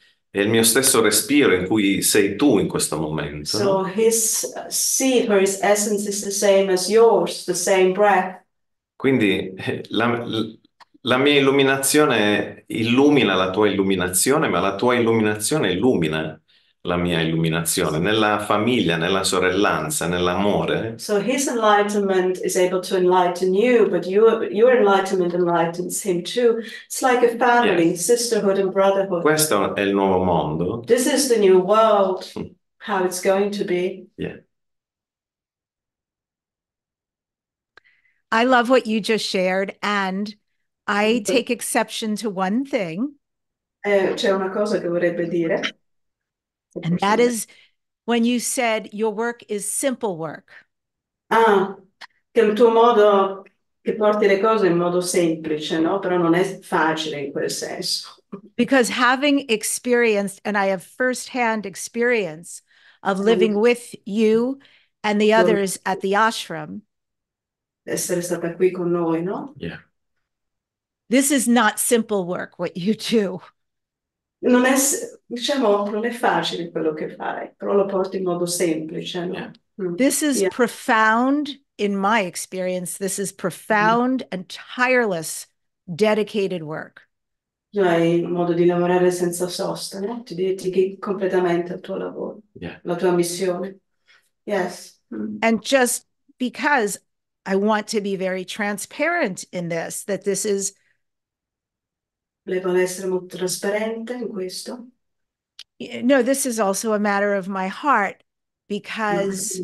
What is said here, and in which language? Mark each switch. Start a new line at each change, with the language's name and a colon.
Italian: È il mio stesso respiro in cui sei tu in questo
English: So
Italian: momento, no?
English: his seed or his essence is the same as yours, the same breath.
Italian: Quindi la mia illuminazione illumina la tua illuminazione, ma la tua illuminazione illumina la mia illuminazione nella famiglia, nella sorellanza, nell'amore.
English: So his enlightenment is able to enlighten you, but your enlightenment enlightens him too. It's like a family, Yes. sisterhood and brotherhood.
Italian: Questo è il nuovo mondo.
English: This is the new world, how it's going to be. I love what you just shared, and I take exception to one thing.
Italian: C'è una cosa che vorrebbe dire.
English: And that is when you said your work is simple work.
Italian: Ah, che il tuo modo che porti le cose in modo semplice, no? Però non è facile in quel senso.
English: Because having experienced, and I have firsthand experience of living with you and the others at the ashram.
Italian: Essere stata qui con noi, no?
English: This is not simple work, what you do.
Italian: Non è, diciamo, non è facile quello che fai, però lo porti in modo semplice, no?
English: This is profound, in my experience, this is profound and tireless, dedicated work.
Italian: Hai un modo di lavorare senza sosta, no? Ti dedichi completamente al tuo lavoro, la tua missione.
English: Yes. And just because I want to be very transparent in this, that this is...
Italian: Volevo essere molto trasparente in questo.
English: No, this is also a matter of my heart, because